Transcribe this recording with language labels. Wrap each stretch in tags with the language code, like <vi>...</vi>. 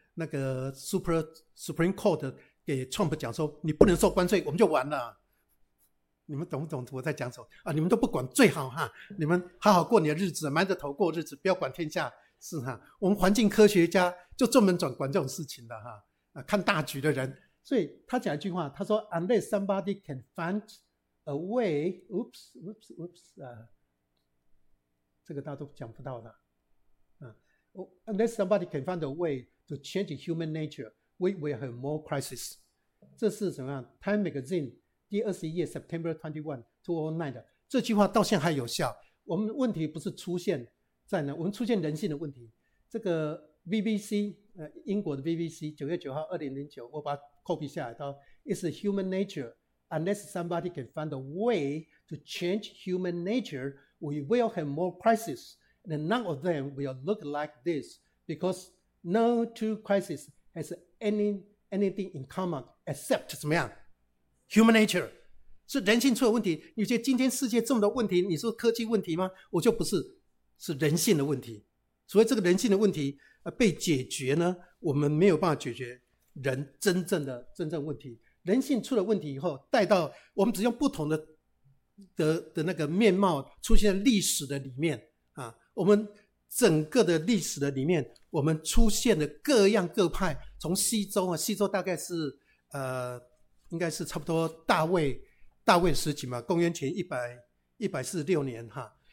<zh>那个 Supreme Court 给 Trump 讲说你不能受关税，我们就完了。你们懂不懂我在讲什么啊？你们都不管最好哈，你们好好过你的日子，埋着头过日子，不要管天下事哈。我们环境科学家就专门管这种事情的哈。看大局的人，所以他讲一句话，他说</zh> <en>：“Unless somebody can find a way, oops，</en> <zh>啊，这个大家都讲不到的，</zh> <en>unless somebody can find a way to change human nature, we will have more crisis。”</en> <zh>这是什么样 ？Time Magazine 第21页，September 21, 2009的这句话到现在还有效。我们问题不是出现在哪，我们出现人性的问题。这个BBC 英国的 BBC 9月9号2009，我把它 copy 下来，到</zh> <en>It's human nature. Unless somebody can find a way to change human nature, we will have more crises, and none of them will look like this, because no two crises has anything in common except</en> <zh>怎么样</zh> <en>human nature.</en> <zh>是人性出了问题。你觉得今天世界这么多问题，你说科技问题吗？我就不是，是人性的问题。所以这个人性的问题被解决呢，我们没有办法解决人真正问题。人性出了问题以后，带到我们只用不同 的那个面貌出现在历史的里面啊，我们整个的历史的里面，我们出现了各样各派，从西周啊，西周大概是应该是差不多大卫时期嘛，公元前146年哈。</zh>